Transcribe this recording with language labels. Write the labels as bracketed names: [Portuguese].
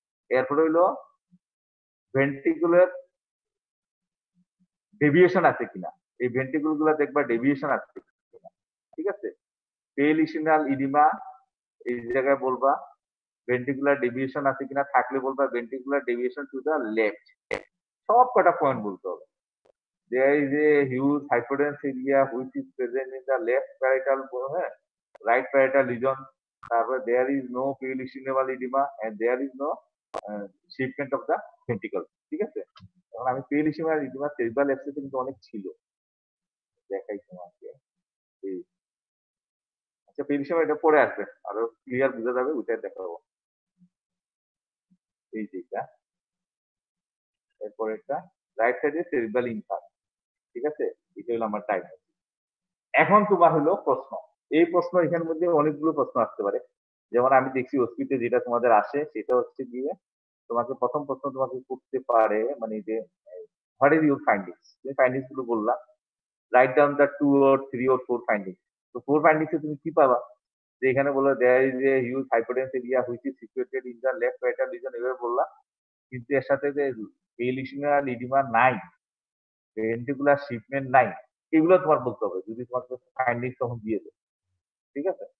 [Bangla] এরপরে হইলো ventricular deviation আছে কিনা, এই ভেন্টিকুল গুলা দেখবা ডেভিয়েশন আছে, ঠিক আছে। পেরিলিশনাল ইডিমা এই জায়গায় বলবা ভেন্টিকুলার ডেভিয়েশন আছে কিনা, থাকলে বলবা [English] ventricular deviation to the left, [Bangla] সব কটা পয়েন্ট বলতে হবে। [English] There is a huge hypodense area which is present in the left parietal bone, right parietal region. There is no perilesional edema and there is no shiftment of the ventricle. [Bangla] ঠিক আছে? এখন আমি perilesional edema cerebral abscess কিন্তু অনেক ছিল। দেখাই তোমাকে। আচ্ছা perilesional এটা পরে আসবে। আরো clear বুঝা যাবে ওইটা দেখাবো। এই যে এটা। এরপর এটা [English] right side cerebral infarct. [Bangla] ঠিক আছে, এটা হলো আমার টাইম। এখন তোমার হলো প্রশ্ন, এই প্রশ্ন এখানের মধ্যে অনেকগুলো প্রশ্ন আসতে পারে, যেমন আমি দেখছি অস্থিতে যেটা তোমাদের আসে সেটা হচ্ছে গিয়ে তোমাকে প্রথম প্রশ্ন তোমাকে করতে পারে, মানে যে [English] what is your findings, [Bangla] যে ফাইন্ডিংস গুলো বললাম [English] write down the two or three or four findings, [Bangla] তো ফোর ফাইন্ডিংসে তুমি কি পাবা, যে এখানে বললো [English] there is a huge hypodense area which is situated in the left parietal region, [Bangla] এভাবে বললাম, কিন্তু এর সাথে যে পেরিলিশনাল ইডিমা নাই, ভেন্টিকুলার শিপমেন্ট নাই, এগুলো তোমার বলতে হবে যদি তোমাকে ফাইন্ডিং তখন দিয়ে দেবে, ঠিক আছে।